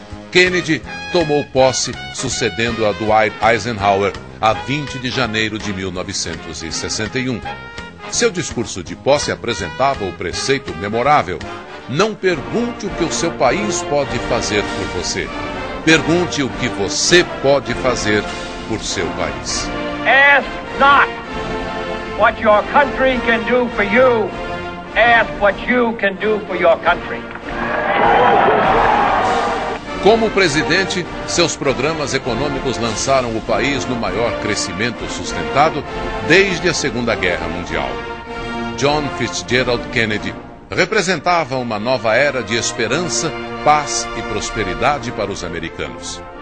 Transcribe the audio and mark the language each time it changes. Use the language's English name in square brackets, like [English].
[Portuguese] Kennedy tomou posse sucedendo a Dwight Eisenhower a 20 de janeiro de 1961. Seu discurso de posse apresentava o preceito memorável: não pergunte o que o seu país pode fazer por você. Pergunte o que você pode fazer por seu país. [English] Ask not what your country can do for you. Ask what you can do for your country. [Portuguese] Como presidente, seus programas econômicos lançaram o país no maior crescimento sustentado desde a Segunda Guerra Mundial. John Fitzgerald Kennedy representava uma nova era de esperança, paz e prosperidade para os americanos.